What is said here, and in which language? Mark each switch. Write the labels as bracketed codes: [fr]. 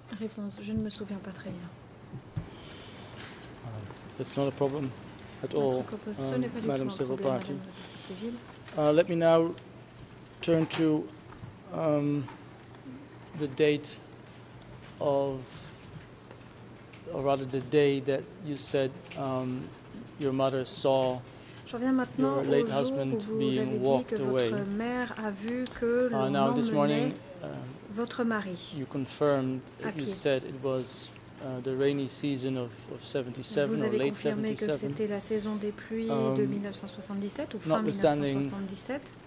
[fr] Réponse, je ne me souviens pas très bien. [en] That's not a problem at all, Madam Civil Party. Let me now turn to the date of, or rather the day that you said your mother saw your late husband being walked away. Now, this morning, [fr] votre mari [en] you confirmed, you said it was the rainy season of 77 or late 77. [fr] C'était la saison des pluies de 1977 ou fin 1977.